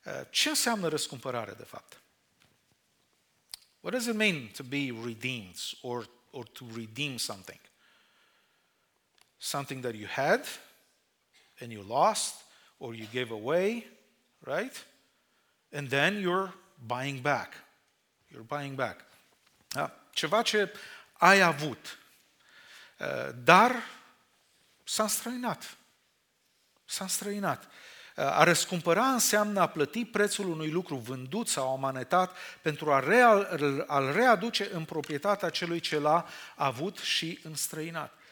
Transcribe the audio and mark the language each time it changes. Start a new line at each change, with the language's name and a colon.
Romanian: Ce înseamnă răscumpărare, de fapt?
English: What does it mean to be redeemed or to redeem something? Something that you had and you lost, or you gave away, right? And then you're buying back. You're buying back. Da?
Romanian: Ceva ce ai avut, dar s-a înstrăinat. S-a înstrăinat. A răscumpăra înseamnă a plăti prețul unui lucru vândut sau amanetat pentru a-l readuce în proprietatea celui ce l-a avut și înstrăinat.